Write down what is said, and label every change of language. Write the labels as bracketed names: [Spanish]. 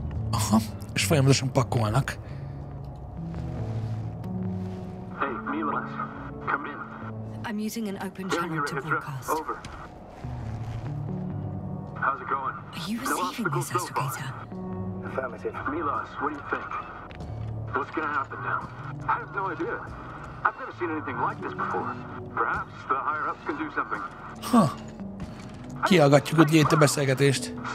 [Hungarian] Aha, és folyamatosan pakolnak. [English] Hey, Mila, come in. I'm using an open channel to broadcast. Over. How's it going? Are you receiving this, Astrogator? Affirmative. Mila, what do you think? What's gonna happen now? I have no idea. I've never seen anything like this before. Perhaps the higher-ups can do something. Huh. [Hungarian] Kihallgatjuk a gyéte beszélgetést.